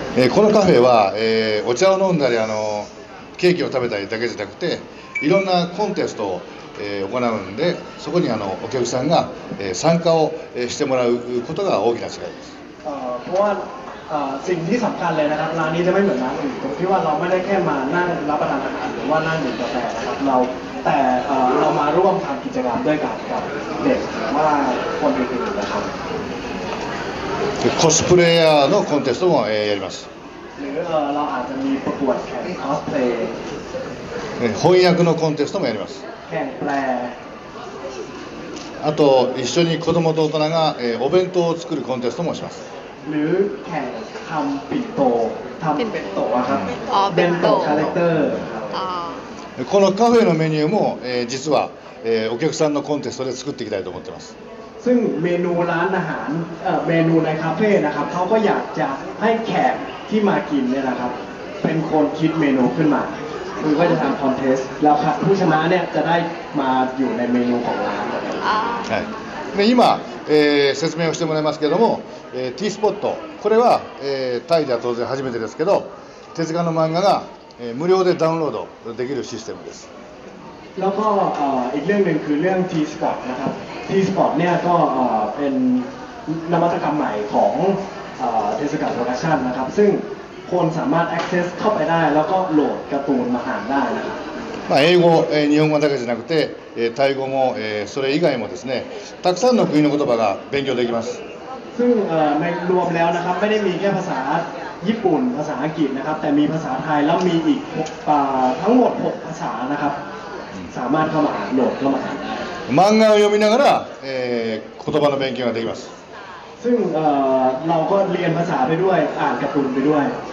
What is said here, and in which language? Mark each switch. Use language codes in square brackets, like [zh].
[ja] このカフェは、お茶を飲んだりケーキを食べたりだけじゃなくて、いろんなコンテストを、行うんで、そこにお客さんが、参加をしてもらうことが大きな違いです。 [th] เพราะว่าสิ่งที่สำคัญเลยนะครับร้านนี้จะไม่เหมือนร้านอื่นตรงที่ว่าเราไม่ได้แค่มานั่งรับประทานอาหารหรือว่านั่งดื่มกาแฟนะครับเราแต่เรามาร่วมทำกิจกรรมด้วยกันกับเด็กว่าคนอื่นๆนะครับ [ja] คอสเพลเยอร์のコンテストもやります [th] หรือเราอาจจะมีประกวดแข่งคอสเพลย์ [ja] 翻訳のコンテストもやります [th] แข่งแปล [ja] あと一緒に子供と大人がお弁当を作るコンテストもします [th] หรือแข่งทำปิโตทำเป็นโตะครับเป็นโตะ คาแรคเตอร์ [ja] このカフェのメニューも実はお客さんのコンテストで作っていきたいと思ってます [th] ซึ่งเมนูร้านอาหารเมนูในคาเฟ่นะครับเขาก็อยากจะให้แขกที่มากินเนี่ยนะครับเป็นคนคิดเมนูขึ้นมาคือก็จะทำคอนเทสต์แล้วผู้ชนะเนี่ยจะได้มาอยู่ในเมนูของร้าน [ja] で今、説明をしてもらいますけども、ティースポットこれは、タイでは当然初めてですけど手塚の漫画が、無料でダウンロードできるシステムです。 [th] แล้วก็อีกเรื่องนึงคือเรื่องティースポットนะครับティースポットเนี่ยก็เป็นนวัตกรรมใหม่ของเทศกาลโปรดักชันนะครับซึ่งคนสามารถ access เข้าไปได้แล้วก็โหลดการ์ตูนมาอ่านได้นะครับ [ja] まあ英語、日本語だけじゃなくて、タイ語も、それ以外もですね、たくさんの国の言葉が勉強できます。 [th] ซึ่ง、รวมแล้วนะครับ、ไม่ได้มีแค่ภาษาญี่ปุ่น、ภาษาอังกฤษนะครับ、แต่มีภาษาไทยแล้วมีอีก ทั้งหมด6ภาษานะครับ、สามารถเข้ามาโหลดเข้ามาได้。 [ja] 漫画を読みながら、言葉の勉強ができます。 [th] ซึ่ง、เราก็เรียนภาษาไปด้วย、อ่านการ์ตูนไปด้วย